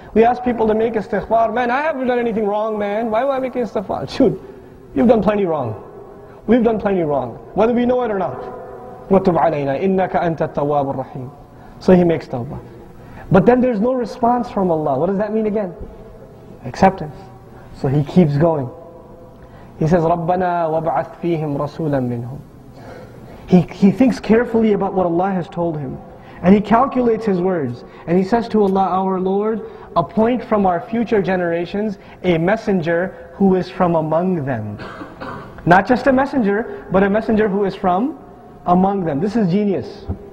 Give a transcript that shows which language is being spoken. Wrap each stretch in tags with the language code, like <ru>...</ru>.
<en>We ask people to make istighfar, man, I haven't done anything wrong, man, why am I making istighfar? Shoot, you've done plenty wrong. We've done plenty wrong, whether we know it or not.</en> <ar>وَتُبْ عَلَيْنَا إِنَّكَ أَنْتَ التَّوَّابُ الرَّحِيمُ.</ar> <en>So he makes tawbah. But then there's no response from Allah. What does that mean again? Acceptance. So he keeps going. He says,</en> <ar>رَبَّنَا وَبْعَثْ فِيهِمْ رَسُولًا مِّنْهُمْ.</ar> <en>He thinks carefully about what Allah has told him. And he calculates his words. And he says to Allah, our Lord, appoint from our future generations a messenger who is from among them. Not just a messenger, but a messenger who is from among them. This is genius.</en>